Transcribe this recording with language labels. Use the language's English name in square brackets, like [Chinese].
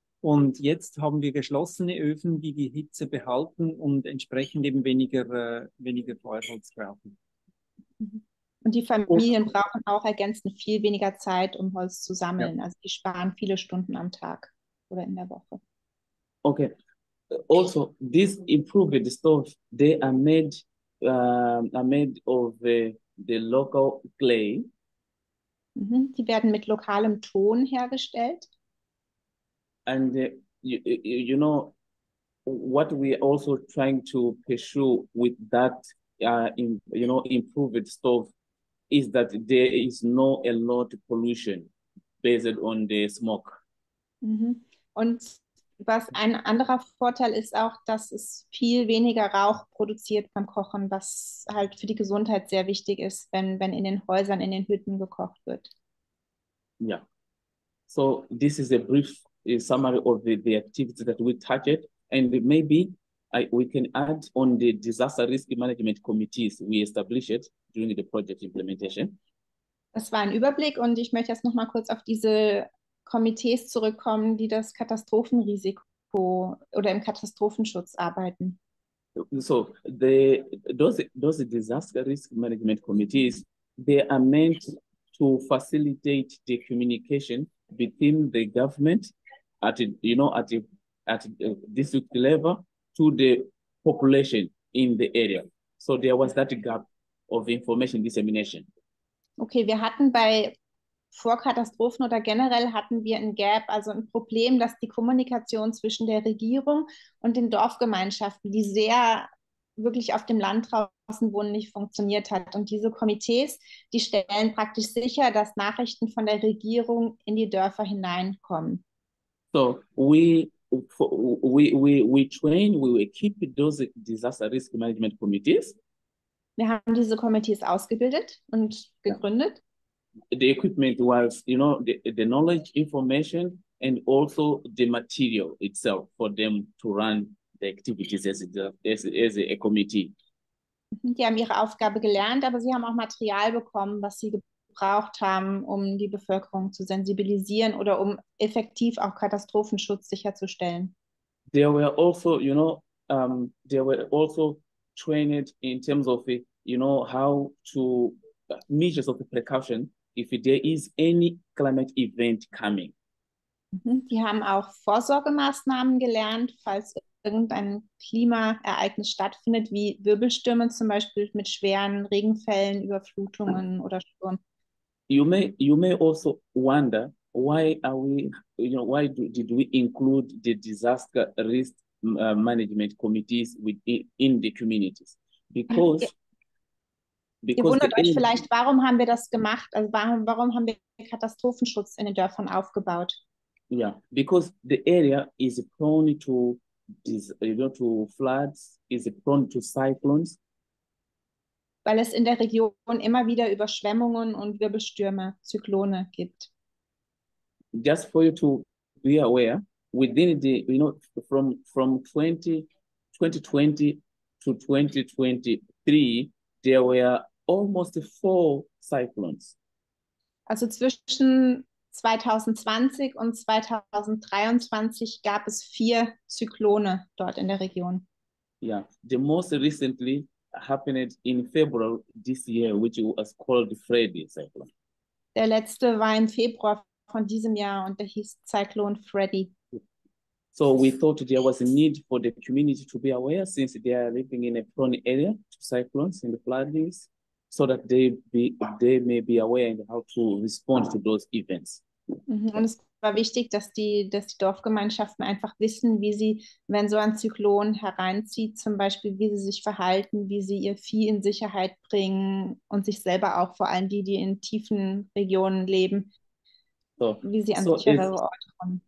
[German] Und jetzt haben wir geschlossene Öfen, die die Hitze behalten und entsprechend eben weniger Feuerholz brauchen. Und die Familien brauchen auch ergänzend viel weniger Zeit, um Holz zu sammeln. Ja. Also die sparen viele Stunden am Tag oder in der Woche. Okay. [English] Also, these improved stoves, they are made of the local clay. [German] Die werden mit lokalem Ton hergestellt. [English] And you know what we are also trying to pursue with that improved stove is that there is no a lot of pollution based on the smoke. [German] Und was ein anderer Vorteil ist auch, dass es viel weniger Rauch produziert beim Kochen, was halt für die Gesundheit sehr wichtig ist, wenn in den Häusern, in den Hütten gekocht wird. Ja. Yeah. [English] So this is a brief summary of the activities that we targeted, and maybe we can add on the disaster risk management committees we established during the project implementation. [German] Das war ein Überblick, und ich möchte jetzt noch mal kurz auf diese Komitees zurückkommen, die das Katastrophenrisiko oder im Katastrophenschutz arbeiten. [English] So those disaster risk management committees, they are meant to facilitate the communication between the government at district level to the population in the area. So there was that gap of information dissemination. [German] Okay, wir hatten bei Vorkatastrophen oder generell hatten wir ein Gap, also ein Problem, dass die Kommunikation zwischen der Regierung und den Dorfgemeinschaften, die sehr wirklich auf dem Land draußen wohnen, nicht funktioniert hat. Und diese Komitees, die stellen praktisch sicher, dass Nachrichten von der Regierung in die Dörfer hineinkommen. [English] So we train, we equip those disaster risk management committees. [German] Wir haben diese Komitees ausgebildet und gegründet. [English] The equipment was, the knowledge, information, and also the material itself for them to run the activities as a committee. [German] Die haben ihre Aufgabe gelernt, aber sie haben auch Material bekommen, was sie gebraucht haben, um die Bevölkerung zu sensibilisieren oder um effektiv auch Katastrophenschutz sicherzustellen. [English] They were also, they were also trained in terms of, how to measures of precaution if there is any climate event coming. [German] Die haben auch Vorsorgemaßnahmen gelernt, falls irgendein Klimaereignis stattfindet, wie Wirbelstürme zum Beispiel mit schweren Regenfällen, Überflutungen oder Sturm. [English] You may also wonder, why are we, why did we include the disaster risk management committees in the communities? [German] Ihr wundert euch vielleicht, warum haben wir das gemacht? Also warum haben wir Katastrophenschutz in den Dörfern aufgebaut? [English] Yeah, because the area is prone to to floods, is prone to cyclones. [German] Weil es in der Region immer wieder Überschwemmungen und Wirbelstürme, Zyklone gibt. [English] Just for you to be aware, within the, from 2020 to 2023, there were almost four cyclones. [German] Also zwischen 2020 und 2023 gab es vier Zyklone dort in der Region. [English] Yeah, the most recently happened in February this year, which was called the Freddy cyclone. [German] Der letzte war im Februar von diesem Jahr und der hieß Cyclone Freddy. [English] So we thought there was a need for the community to be aware, since they are living in a prone area to cyclones and floodings, so that they may be aware and how to respond to those events. [German] Und es war wichtig, dass die Dorfgemeinschaften einfach wissen, wie sie, wenn so ein Zyklon hereinzieht, zum Beispiel, wie sie sich verhalten, wie sie ihr Vieh in Sicherheit bringen und sich selber auch, vor allem die, die in tiefen Regionen leben, wie sie an sichere Orte kommen.